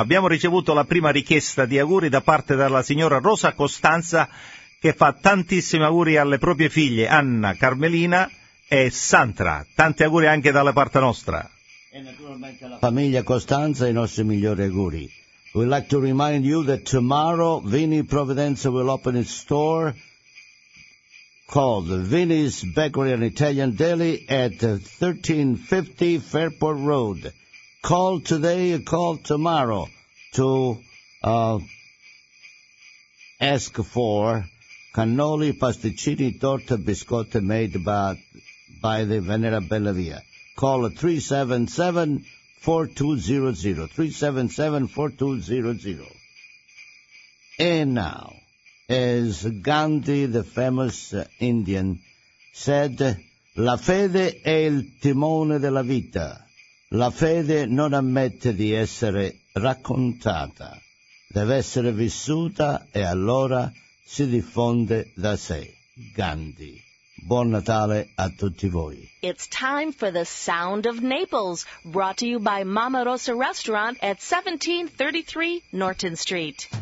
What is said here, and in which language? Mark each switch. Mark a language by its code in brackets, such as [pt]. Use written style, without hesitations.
[it] Abbiamo ricevuto la prima richiesta di auguri da parte della signora Rosa Costanza, che fa tantissimi auguri alle proprie figlie Anna, Carmelina e Sandra. Tanti auguri anche dalla parte nostra. E naturalmente alla famiglia Costanza i nostri migliori auguri. [en] We'd like to remind you that tomorrow Vini Providenza will open its store called Vinnie's Bakery and Italian Deli at 1350 Fairport Road. Call today, call tomorrow to ask for cannoli, pasticcini, torta, biscotti made by the Venerabella Via. Call 377-4200. 377-4200. And now, as Gandhi, the famous Indian, said, [it] la fede è il timone della vita. La fede non ammette di essere raccontata. Deve essere vissuta e allora si diffonde da sé. Gandhi. Buon Natale a tutti voi. [en] It's time for the Sound of Naples, brought to you by Mama Rosa Restaurant at 1733 Norton Street.